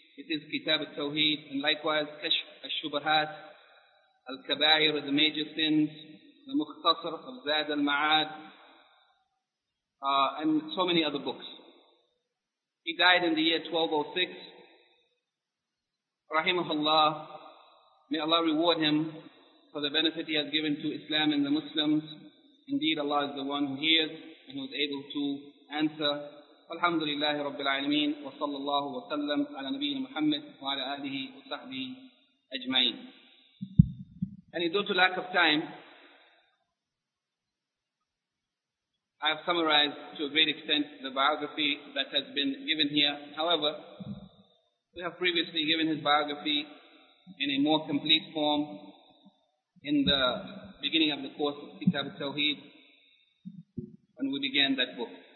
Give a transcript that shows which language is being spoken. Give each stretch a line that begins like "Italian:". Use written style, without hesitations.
English: It is Kitab al-Tawheed, and likewise Kashf al-Shubahat, al-Kabair, the major sins, the Mukhtasar of Zad al-Ma'ad, and so many other books. He died in the year 1206. Rahimahullah, may Allah reward him for the benefit he has given to Islam and the Muslims. Indeed, Allah is the one who hears and who is able to answer.
Arabic: الحمد لله رب العالمين وصلى الله وسلم على نبينا محمد وعلى آله وصحبه أجمعين.
English: And due to lack of time, I have summarized to a great extent the biography that has been given here. However, we have previously given his biography in a more complete form in the beginning of the course of Kitab al-Tawheed when we began that book.